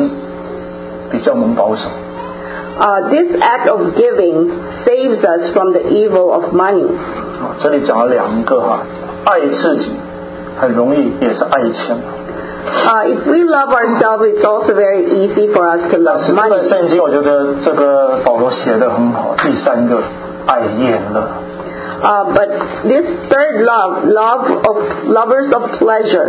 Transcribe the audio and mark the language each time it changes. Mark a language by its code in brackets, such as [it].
[zh] 你知道你这个举动使我们对钱比较能保守。 [en] This act of giving saves us from the evil of money. [zh] 这里讲了两个，爱自己很容易，也是爱钱。 [en] If we love ourselves, it's also very easy for us to love money. [zh] 但是这本圣经我觉得这个保罗写得很好，第三个，爱厌乐。 [en] But this third love, lovers of pleasure.